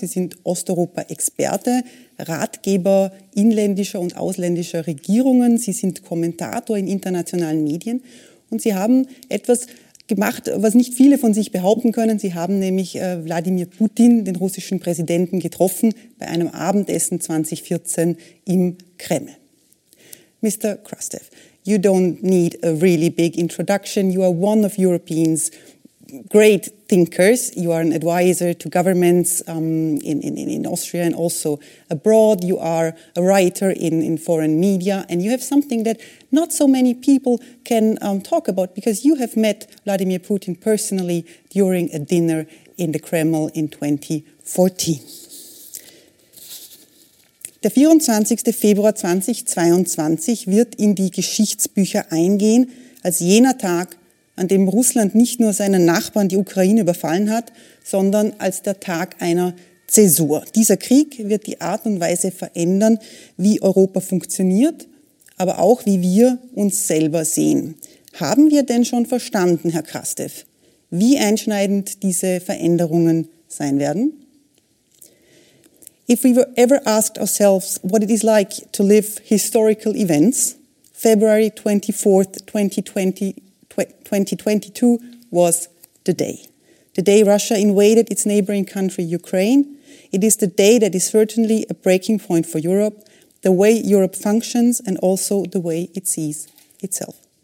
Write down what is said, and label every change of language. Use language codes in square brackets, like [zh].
[de] Sie sind Osteuropa-Experte, Ratgeber inländischer und ausländischer Regierungen. Sie sind Kommentator in internationalen Medien. Und Sie haben etwas gemacht, was nicht viele von sich behaupten können. Sie haben nämlich Wladimir Putin, den russischen Präsidenten, getroffen bei einem Abendessen 2014 im Kreml. [en] Mr. Krastev, you don't need a really big introduction. You are one of Europeans' great thinkers. You are an advisor to governments in Austria and also abroad. You are a writer in foreign media. And you have something that not so many people can talk about, because you have met Vladimir Putin personally during a dinner in the Kreml in 2014. [de] Der 24. Februar 2022 wird in die Geschichtsbücher eingehen als jener Tag, an dem Russland nicht nur seinen Nachbarn die Ukraine überfallen hat, sondern als der Tag einer Zäsur. Dieser Krieg wird die Art und Weise verändern, wie Europa funktioniert, aber auch wie wir uns selber sehen. Haben wir denn schon verstanden, Herr Krastev, wie einschneidend diese Veränderungen sein werden? [en] If we were ever asked ourselves what it is like to live historical events, February 24th, 2022 was the day. The day Russia invaded its neighboring country, Ukraine. It is the day that is certainly a breaking point for Europe, the way Europe functions and also the way it sees itself.